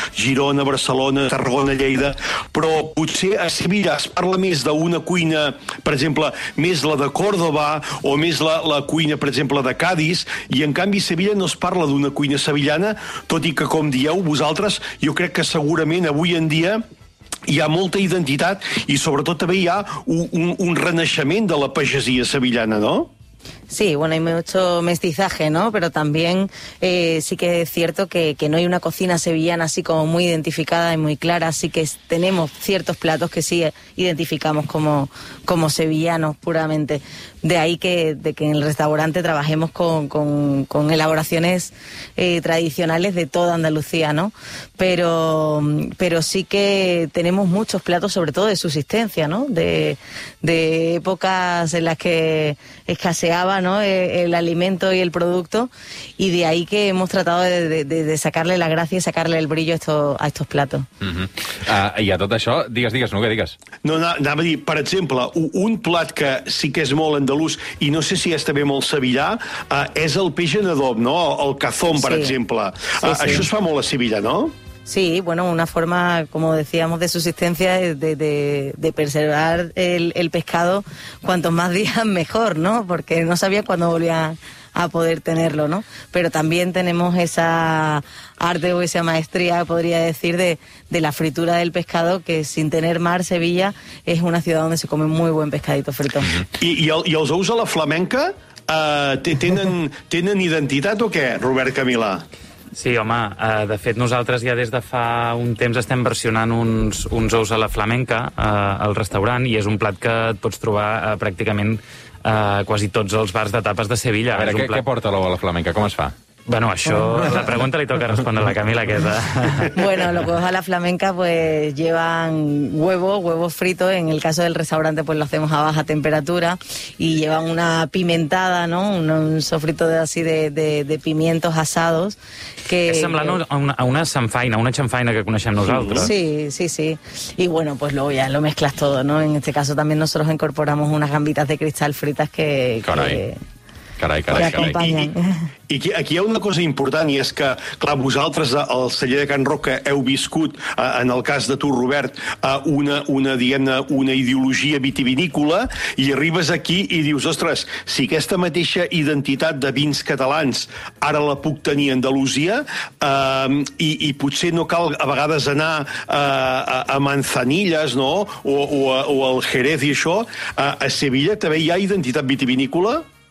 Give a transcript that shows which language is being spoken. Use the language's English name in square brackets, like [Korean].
[Catalan] Girona, Barcelona, Tarragona, Lleida, però potser a Sevilla es parla més d'una cuina, per exemple, més la de Còrdoba, o més la cuina, per exemple, de Cádiz, i en canvi a Sevilla no es parla d'una cuina sevillana, tot i que, com dieu vosaltres, jo crec que segurament avui en dia hi ha molta identitat i sobretot també hi ha un renaixement de la pagesia sevillana, no? [Spanish] Sí, bueno, hay mucho mestizaje, ¿no? Pero también sí que es cierto que no hay una cocina sevillana así como muy identificada y muy clara, así que tenemos ciertos platos que sí identificamos como sevillanos puramente. De ahí que en el restaurante trabajemos con elaboraciones tradicionales de toda Andalucía, ¿no? Pero sí que tenemos muchos platos, sobre todo de subsistencia, ¿no? De épocas en las que escaseaba, ¿no?, el alimento y el producto, y de ahí que hemos tratado de sacarle la gracia y sacarle el brillo a estos platos. Uh-huh. [Catalan] I a tot això, digues, no, que digues. No, anava a dir, per exemple, un plat que sí que és molt andalús i no sé si és també molt sevillà, és el peix en adob, no?, el cazón, per exemple. Sí, sí. Això es fa molt a Sevilla, no? [Spanish] Sí, bueno, una forma, como decíamos, de subsistencia, de preservar el pescado, cuantos más días mejor, ¿no? Porque no sabía cuándo volvía a poder tenerlo, ¿no? Pero también tenemos esa arte o esa maestría, podría decir, de la fritura del pescado, que sin tener mar, Sevilla es una ciudad donde se come muy buen pescadito frito. ¿Y os usa la flamenca? ¿Tienen identidad o qué, Robert Camila? [Catalan] Sí, home, de fet nosaltres ja des de fa un temps estem versionant uns ous a la flamenca al restaurant, i és un plat que et pots trobar pràcticament quasi tots els bars de tapes de Sevilla. A veure, és un plat... què porta l'ou a la flamenca? Com es fa? Bueno, això, la pregunta li toca respondre a la Camila, que és... [Spanish] Bueno, los huevos a la flamenca, pues, llevan huevo frito. En el caso del restaurante, pues, lo hacemos a baja temperatura. Y llevan una pimentada, ¿no? Un sofrito de, así de pimientos asados. Que... [Catalan] És semblant a una samfaina, una chanfaina que coneixem nosaltres. Sí. [Spanish] Y bueno, pues, luego ya lo mezclas todo, ¿no? En este caso, también nosotros incorporamos unas gambitas de cristal fritas que... [Catalan] Carai. I aquí hi ha una cosa important, i és que, clar, vosaltres al celler de Can Roca heu viscut, en el cas de tu, Robert, una ideologia vitivinícola, i arribes aquí i dius, ostres, si aquesta mateixa identitat de vins catalans ara la puc tenir a Andalusia, i potser no cal a vegades anar a Manzanilles, no?, o al Jerez i això, a Sevilla també hi ha identitat vitivinícola?